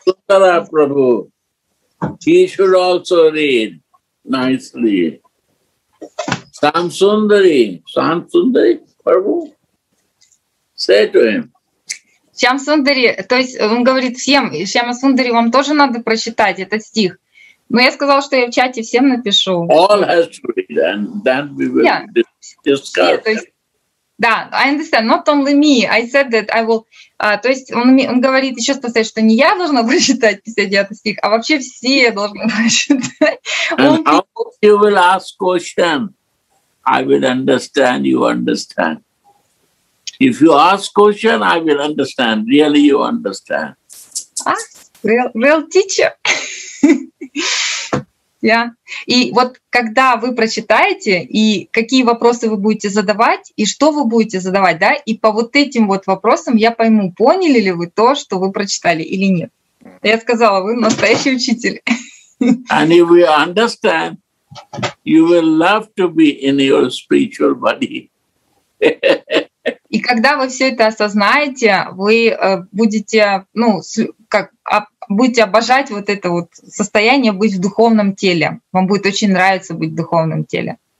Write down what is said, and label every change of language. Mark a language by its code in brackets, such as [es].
[en] Sutara Prabhu, he should also read nicely. Shamsundari Prabhu, say to him. [ru] Shamsundari, то есть он говорит всем, Shamsundari, вам тоже надо прочитать этот стих. Но я сказал, что я в чате всем напишу. [en] All has to read, and then we will discuss. [ru] Все, да, [en] I understand, not only me, I said that I will... [ru] то есть он говорит, еще сказать, что не я должна прочитать 59 стих, а вообще все должны прочитать. [en] And how you will ask question, I will understand, you understand. If you ask question, I will understand, really you understand. Ah, real teacher. [ru] И вот когда вы прочитаете, и какие вопросы вы будете задавать, и что вы будете задавать, да, и по вот этим вот вопросам я пойму, поняли ли вы то, что вы прочитали или нет. Я сказала, вы настоящий учитель. [en] And if you understand, you will love to be in your spiritual body. [ru] И когда вы все это осознаете, вы будете, ну, как, будете обожать вот это вот состояние быть в духовном теле. Вам будет очень нравиться быть в духовном теле.